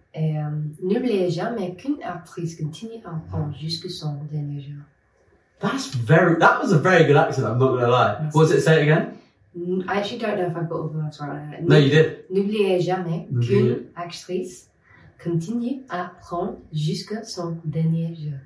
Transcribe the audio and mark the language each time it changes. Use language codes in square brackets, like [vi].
[fr] Et n'oubliez jamais qu'une actrice continue à apprendre jusqu'à son dernier jour. [en] That's very, that was a very good accent, I'm not going to lie. That's what was it, say it again? I actually don't know if I've got all the words right. No, you did. [fr] N'oubliez jamais qu'une actrice continue à prendre jusqu'à son dernier jour.